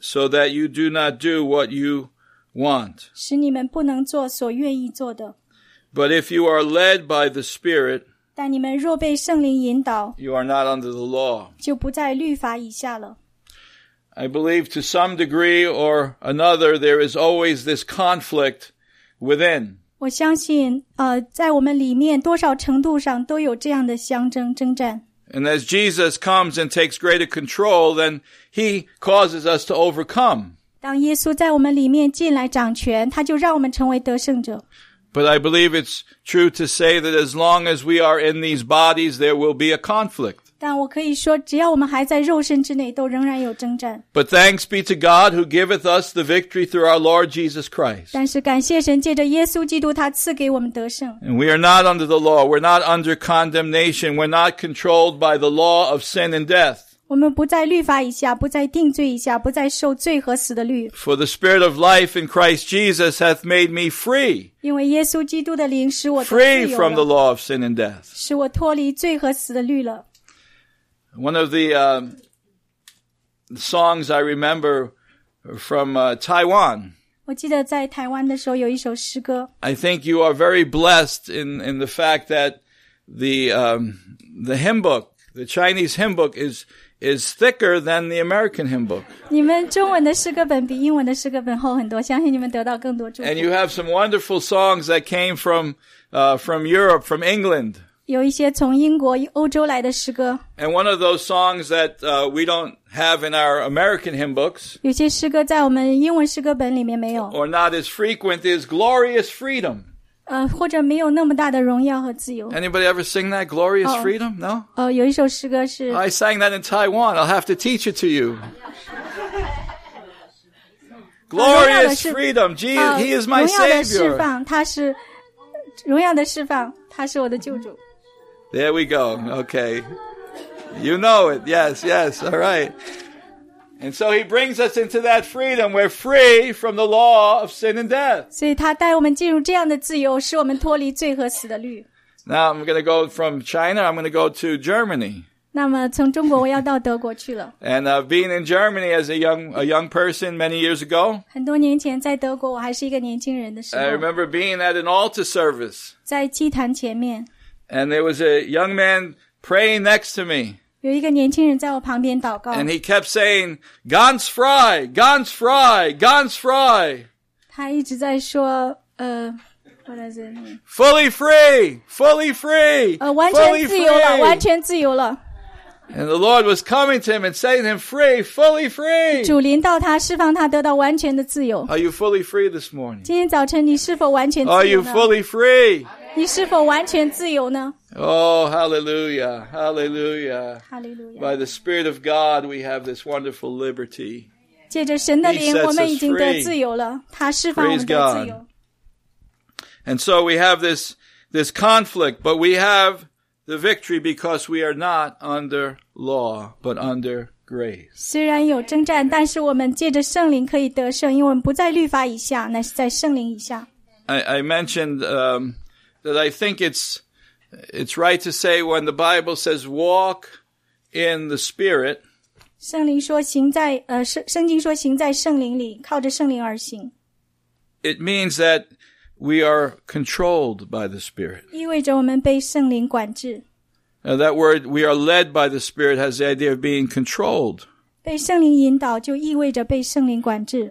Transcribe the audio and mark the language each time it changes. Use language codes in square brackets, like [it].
[en] So that you do not do what you want. [zh] 使你们不能做所愿意做的。 [en] But if you are led by the spirit, [zh] 但你们若被圣灵引导 [en] you are not under the law. [zh] 就不在律法以下了。 [en] I believe to some degree or another, there is always this conflict within. [zh] 我相信在我们里面多少程度上都有这样的相争征战。 [en] And as Jesus comes and takes greater control, then he causes us to overcome. [zh] 当耶稣在我们里面进来掌权他就让我们成为得胜者。 [en] But I believe it's true to say that as long as we are in these bodies, there will be a conflict. [zh] 但我可以说，只要我们还在肉身之内，都仍然有征战。 [en] But thanks be to God who giveth us the victory through our Lord Jesus Christ. [zh] 但是感谢神，借着耶稣基督，他赐给我们得胜。 [en] And we are not under the law. We're not under condemnation. We're not controlled by the law of sin and death. [zh] 我们不在律法以下，不在定罪以下，不在受罪和死的律。 [en] For the spirit of life in Christ Jesus hath made me free. [zh] 因为耶稣基督的灵使我 [en] free from the law of sin and death. [zh] 使我脱离罪和死的律了。 [en] One of the songs I remember from Taiwan. [zh] 我记得在台湾的时候有一首诗歌。 [en] I think you are very blessed in the fact that the hymn book, the Chinese hymn book is thicker than the American hymn book. [zh] 你们中文的诗歌本比英文的诗歌本厚很多，相信你们得到更多祝福。 [en] And you have some wonderful songs that came from Europe, from England. [zh] 有一些从英国、欧洲来的诗歌。 [en] And one of those songs that we don't have in our American hymn books. [zh] 有些诗歌在我们英文诗歌本里面没有。 [en] Or not as frequent is Glorious Freedom. [zh] 或者没有那么大的荣耀和自由。 [en] Anybody ever sing that Glorious Freedom? No? [zh] 有一首诗歌是 [en] I sang that in Taiwan. I'll have to teach it to you. Glorious Freedom. Jesus, He is my Savior. [zh] 荣耀的释放，他是荣耀的释放，他是我的救主。 [en] There we go. Okay. You know it. Yes, yes. All right. And so he brings us into that freedom. We're free from the law of sin and death. [zh] 所以他带我们进入这样的自由，使我们脱离罪和死的律。 [en] Now I'm going to go from China. I'm going to go to Germany. [zh] 那么从中国我要到德国去了。 [en] And being in Germany as a young person many years ago. [zh] 很多年前在德国，我还是一个年轻人的时候。 [en] I remember being at an altar service. [zh] 在祭坛前面。 [en] And there was a young man praying next to me. [zh] 有一个年轻人在我旁边祷告。 [en] And he kept saying, [de] Ganz frei, Ganz frei, Ganz frei. [zh] 他一直在说 [en] what is it? Fully free, fully free, fully free. [zh] 完全自由了，完全自由了。 [en] And the Lord was coming to him and saying to him, free, fully free. [zh] 主临到他，释放他，得到完全的自由。 [en] Are you fully free this morning? [zh] 今天早晨你是否完全自由呢？ [en] Are you fully free? [zh] 你是否完全自由呢？ [en] Oh, hallelujah, hallelujah. Hallelujah. By the Spirit of God, we have this wonderful liberty. [zh] 借着神的灵，我们已经得自由了。他释放我们的自由。 [en] And so we have this conflict, but we have the victory because we are not under law, but under grace. [zh] 虽然有征战，但是我们借着圣灵可以得胜，因为我们不在律法以下，乃是在圣灵以下。 [en] I mentioned that I think it's right to say when the Bible says walk in the Spirit. [zh] 圣灵说行在圣经说行在圣灵里，靠着圣灵而行。 [en] It means that we are controlled by the Spirit. [zh] 意味着我们被圣灵管制。 [en] Now that word, we are led by the Spirit, has the idea of being controlled. [zh] 被圣灵引导就意味着被圣灵管制。